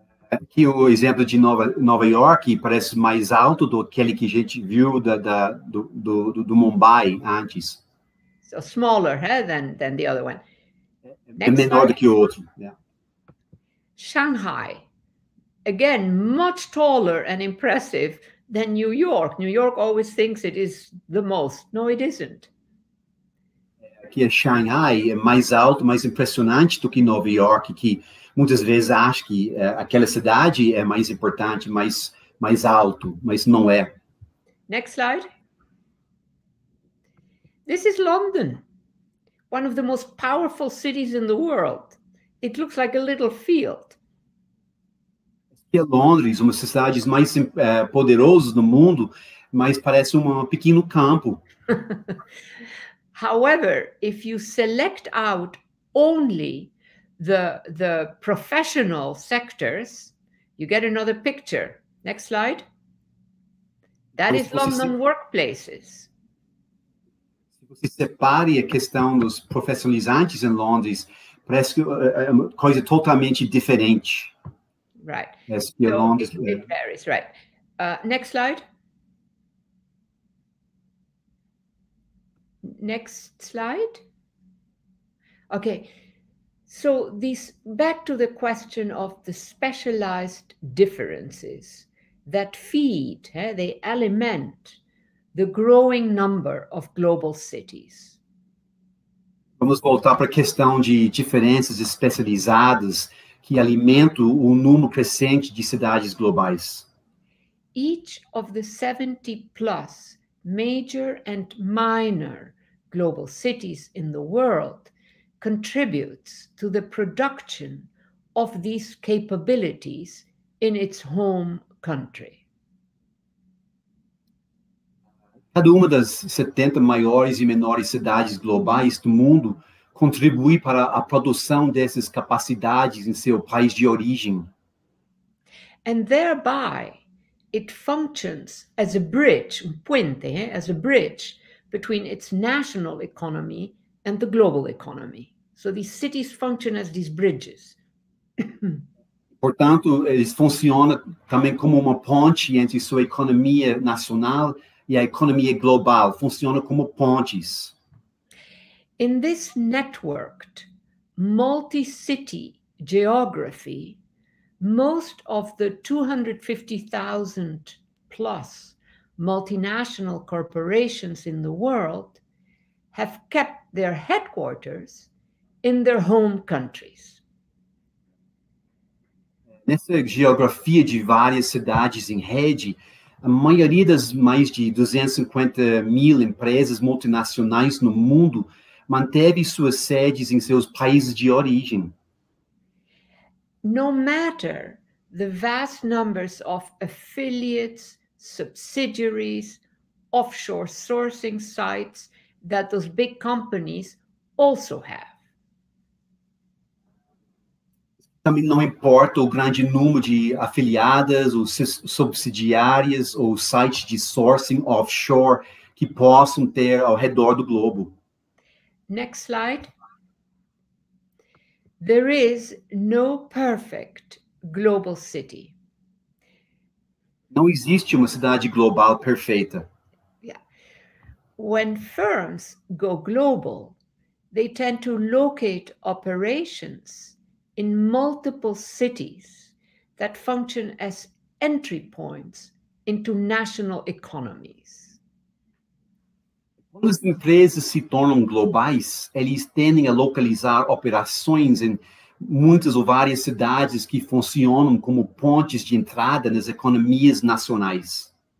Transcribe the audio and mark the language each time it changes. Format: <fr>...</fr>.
<pt>Aqui o exemplo de Nova York parece mais alto do que aquele que a gente viu do Mumbai antes.</pt> <en>So smaller, than the other one. Next,</en> <pt>menor</pt> <en>slide.</en> <pt>Do que o outro.</pt> <en>Shanghai. Again, much taller and impressive than New York. New York always thinks it is the most. No, it isn't.</en> <pt>Aqui é Shanghai, é mais alto, mais impressionante do que Nova York, que muitas vezes acho que aquela cidade é mais importante, mais alto, mas não é.</pt> <en>Next slide. This is London, one of the most powerful cities in the world. It looks like a little field.</en> <pt>Aqui é Londres, uma das cidades mais poderosas do mundo, mas parece um pequeno campo.</pt> <en>However, if you select out only the professional sectors, you get another picture. Next slide. That is London workplaces.</en> <pt>Se você separe a questão dos profissionalizantes em Londres, parece que é uma coisa totalmente diferente.</pt> <en>Right. Yes, so Londres, it varies, right. Next slide. Next slide. Okay, So this back to the question of the specialized differences that feed, they</en> <pt>alimentam</pt> <en>the growing number of global cities.</en> <pt>Vamos voltar para a questão de diferenças especializadas que alimentam o número crescente de cidades globais.</pt> <en>Each of the 70 plus major and minor global cities in the world contributes to the production of these capabilities in its home country.</en> <pt>Cada uma das 70 maiores e menores cidades globais do mundo contribui para a produção dessas capacidades em seu país de origem.</pt> <en>And thereby, it functions as a bridge,</en> <es>um puente,</es> <en>as a bridge between its national economy and the global economy. So these cities function as these bridges.</en> <pt>Portanto, eles funcionam também como uma ponte entre sua economia nacional e a economia global, funciona como pontes.</pt> <en>In this networked, multi-city geography, most of the 250,000 plus multinational corporations in the world have kept their headquarters in their home countries.</en> <pt>Nessa geografia de várias cidades em rede, a maioria das mais de 250 mil empresas multinacionais no mundo manteve suas sedes em seus países de origem.</pt> <en>No matter the vast numbers of affiliates, subsidiaries, offshore sourcing sites that those big companies also have.</en> <pt>Também não importa o grande número de afiliadas, ou subsidiárias ou sites de sourcing offshore que possam ter ao redor do globo.</pt> <en>Next slide. There is no perfect global city.</en> <pt>Não existe uma cidade global perfeita.</pt> <en>Yeah. When firms go global, they tend to locate operations in multiple cities that function as entry points into national economies.</en> <pt>Quando as empresas se tornam globais, eles tendem a localizar operações em muitas ou várias cidades que funcionam como pontes de entrada nas economias nacionais.</pt>